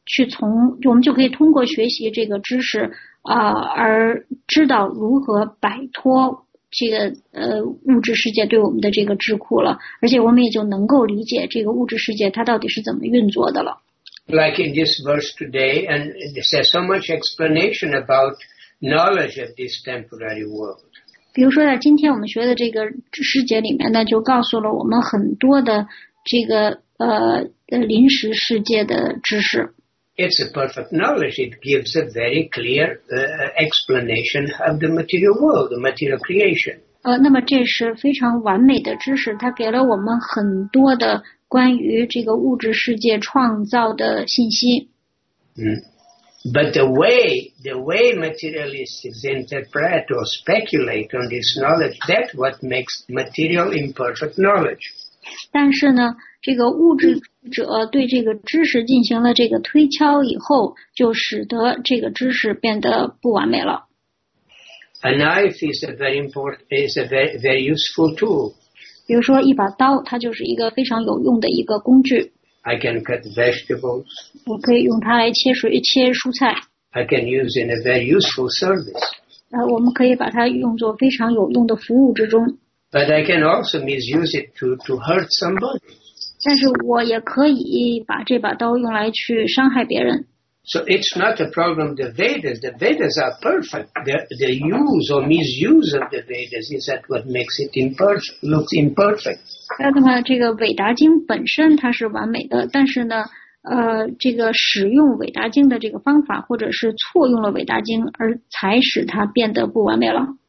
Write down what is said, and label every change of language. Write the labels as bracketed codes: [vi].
[zh] 从，我们就可以通过学习这个知识而知道如何摆脱这个物质世界对我们的这个桎梏了，而且我们也就能够理解这个物质世界它到底是怎么运作的了。 [en] Like in this verse today, and there's so much explanation about knowledge of this temporary world. [zh] 比如说在今天我们学的这个世界里面呢，就告诉了我们很多的这个临时世界的知识。 [en] It's a perfect knowledge. It gives a very clear explanation of the material world, the material creation. [zh] 那么这是非常完美的知识，它给了我们很多的关于这个物质世界创造的信息。 [en] But the way materialists interpret or speculate on this knowledge, that's what makes material imperfect knowledge. [zh] 但是呢，这个物质者对这个知识进行了这个推敲以后，就使得这个知识变得不完美了。 [en] A knife is a very important, is a very, very useful tool. [zh] 比如说一把刀，它就是一个非常有用的一个工具。 [en] I can cut vegetables. [zh] 我可以用它来切水，切蔬菜。 [en] I can use in a very useful service. [zh] 我们可以把它用作非常有用的服务之中。 [en] But I can also misuse it to hurt somebody. [zh] 但是我也可以把这把刀用来去伤害别人。 [en] So it's not a problem. The Vedas are perfect. The use or misuse of the Vedas is that what makes it imperfect, looks imperfect. [zh] 那么这个伟达经本身它是完美的，但是呢，这个使用伟达经的这个方法，或者是错用了伟达经，而才使它变得不完美了。